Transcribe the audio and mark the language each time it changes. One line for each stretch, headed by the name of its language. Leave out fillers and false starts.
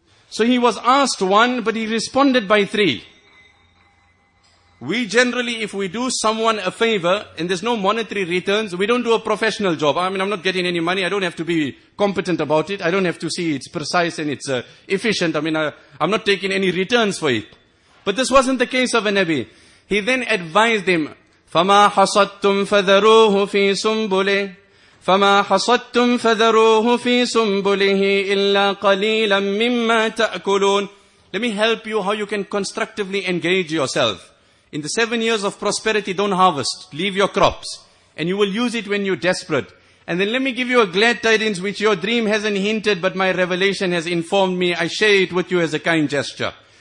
English: So he was asked one, but he responded by three. We generally, if we do someone a favor and there's no monetary returns, we don't do a professional job. I mean, I'm not getting any money. I don't have to be competent about it. I don't have to see it's precise and it's efficient. I mean, I'm not taking any returns for it. But this wasn't the case of a Nabi. He then advised him,
Arabic: فَمَا حَصَدْتُمْ فَذَرُوهُ فِي سُنْبُلِهِ فَمَا حَصَدْتُمْ فَذَرُوهُ فِي سُنْبُلِهِ إِلَّا قَلِيلًا مِّمَّا تَأْكُلُونَ.
English: Let me help you how you can constructively engage yourself. In the 7 years of prosperity, don't harvest. Leave your crops. And you will use it when you're desperate. And then let me give you a glad tidings which your dream hasn't hinted, but my revelation has informed me. I share it with you as a kind gesture.